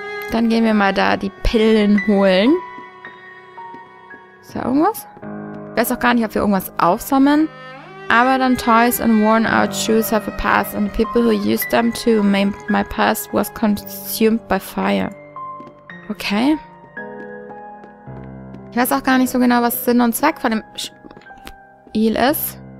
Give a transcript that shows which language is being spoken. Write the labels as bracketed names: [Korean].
[German] Dann gehen wir mal da die Pillen holen. Ist da irgendwas? Ich weiß auch gar nicht, ob wir irgendwas aufsammeln. Aber dann [English] Toys and worn out shoes have a past and the people who used them too. My past was consumed by fire. Okay. [German] Ich weiß auch gar nicht so genau, was Sinn und Zweck von dem Spiel ist.